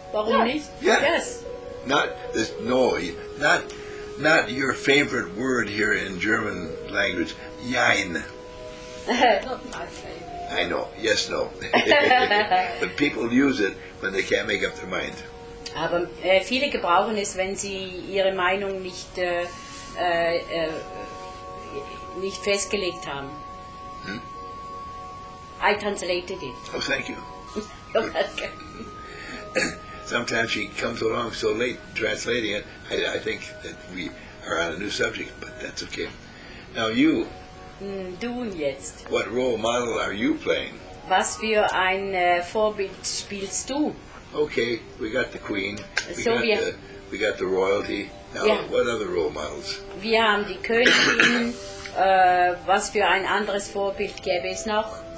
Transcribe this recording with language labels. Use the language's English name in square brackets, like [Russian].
[German] Warum nicht? [English] Yeah. Yes. Not this, no, not your favorite word here in German language, jein. Not my favorite. I know, yes, no. But people use it when they can't make up their mind. [German] Aber viele gebrauchen es, wenn sie ihre Meinung nicht, nicht festgelegt haben. [English] Hmm? I translated it. Oh, thank you. You're welcome. Sometimes she comes along so late translating it, I think that we are on a new subject, but that's okay. Now you, [German] du jetzt. [English] What role model are you playing? [German] Was für ein Vorbild spielst du? [English] Okay, we got the queen, we got the royalty, now yeah. What other role models? [German] Wir haben die Königin, was für ein anderes Vorbild gäbe es noch?